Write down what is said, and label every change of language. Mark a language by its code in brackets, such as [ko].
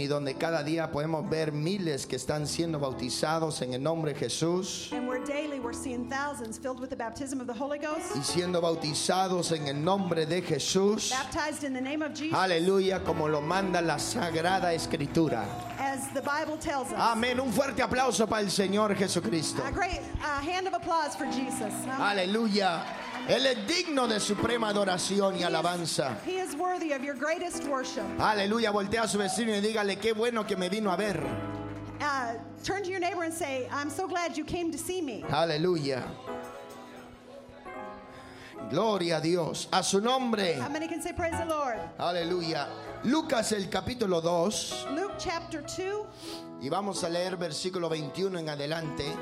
[es] Y donde cada día podemos ver miles que están siendo bautizados en el nombre de Jesús. [en] And where daily we're seeing thousands filled with the baptism of the Holy Ghost. [es] Y siendo bautizados en el nombre de Jesús. [en] Baptized in the name of Jesus. [es] Aleluya, como lo manda la Sagrada Escritura. [en] As the Bible tells us. [es] Amén. Un fuerte aplauso para el Señor Jesucristo. [en] A great hand of applause for Jesus. [es] Aleluya. Él es digno de suprema adoración y alabanza. [en] He is worthy of your greatest worship. [es] Aleluya, voltea a su vecino y dígale qué bueno que me vino a ver. [en] Turn to your neighbor and say, I'm so glad you came to see me. [es] Aleluya. Gloria a Dios. A su nombre. [en] How many can say praise the Lord? [es] Aleluya. Lucas el capítulo 2. [en] Luke chapter 2. [es] Y vamos a leer versículo 21 en adelante.